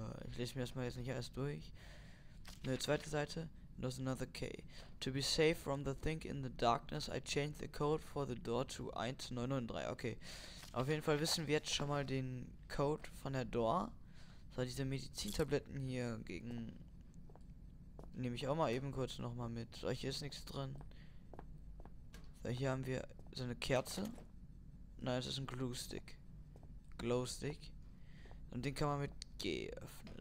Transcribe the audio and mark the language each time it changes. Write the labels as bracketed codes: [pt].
[de] Ich lese mir das mal jetzt nicht erst durch. Ne, zweite Seite. [en] There's another key. To be safe from the thing in the darkness, I changed the code for the door to 1993. Okay. [de] Auf jeden Fall wissen wir jetzt schon mal den Code von der Door. So, diese Medizintabletten hier gegen... Nehme ich auch mal eben kurz nochmal mit. So, hier ist nichts drin. So, hier haben wir so eine Kerze. Nein, es ist ein Glowstick. Glowstick. Und den kann man mit G öffnen.